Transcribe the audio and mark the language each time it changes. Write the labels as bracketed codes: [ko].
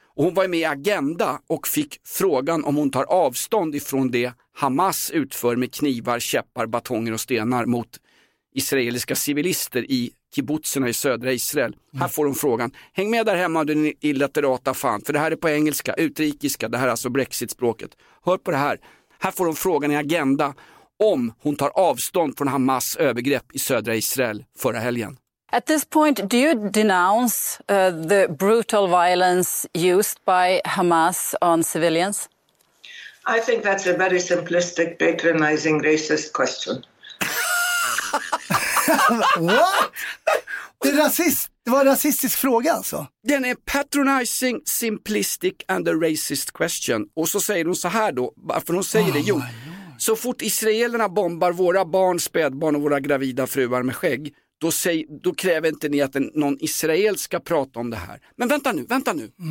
[sv] Och hon var med i Agenda och fick frågan om hon tar avstånd ifrån det Hamas utför med knivar, käppar, batonger och stenar mot israeliska civilister i kibbutzerna i södra Israel. Mm. Här får de frågan. Häng med där hemma, du illiterata fan. För det här är på engelska, utrikiska. Det här är alltså brexitspråket. Hör på det här. Här får de frågan i Agenda om hon tar avstånd från Hamas övergrepp i södra Israel förra helgen. [en] At this point, do you denounce the brutal violence used by Hamas on civilians? I think that's a very simplistic, patronizing, racist question. What? [sv] Det var en rasistisk fråga alltså. Den är [en] patronizing, simplistic and a racist question. [sv] Och så säger hon så här då. Varför hon säger det? Jo, så fort israelerna bombar våra barn, spädbarn och våra gravida fruar med skägg, då kräver inte ni att någon israel ska prata om det här. Men vänta nu. Mm.